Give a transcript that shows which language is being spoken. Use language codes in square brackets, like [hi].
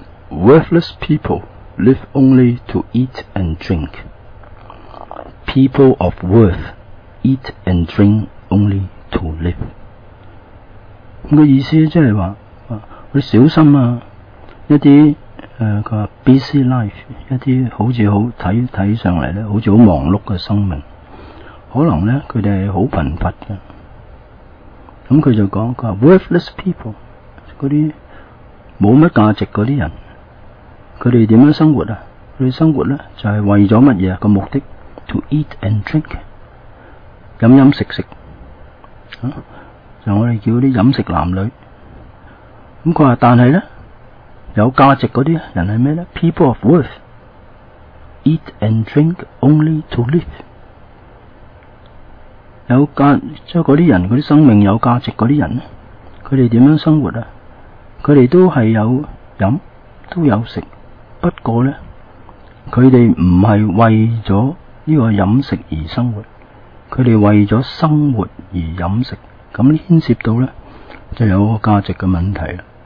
[en] Worthless people live only to eat and drink. People of worth eat and drink only to live. [zh] 个意思就是说，你小心啊，一些 [en] busy life， [zh] 一些好像好看上来好像很忙碌的生命，可能呢他们是很贫乏的。那他就说，他 [en] worthless people， [zh] 那些没什么价值的人，他们怎样生活呢？他们生活呢就是为了什么目的？ [en] To eat and drink， [zh] 饮饮食食、就我们叫那些饮食男女。他说但是呢，有价值的人是什么呢？ [en] People of worth eat and drink only to live。 [zh] 有价值的人，那些生命有价值的人，他们怎样生活呢？他们都是有饮都有食，不過呢，他們不是為了這個飲食而生活，他們為了生活而飲食，那牽涉到呢就有個價值的問題了。